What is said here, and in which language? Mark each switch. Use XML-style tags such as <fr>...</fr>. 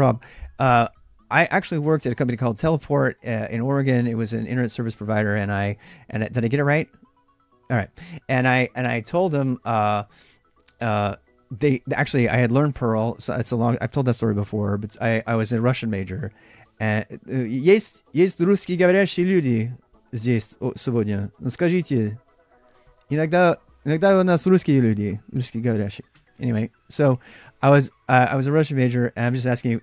<en>Rob, I actually worked at a company called Teleport in Oregon. It was an internet service provider. Did I get it right? All right. And I told them, I had learned Perl. So it's a long, I've told that story before, but I was a Russian major.</en> <ru>Есть русские говорящие люди. Здесь сегодня. Ну скажите, иногда у нас русские люди, русские говорящие.</ru> <en>Anyway, so I was a Russian major, and I'm just asking you.</en>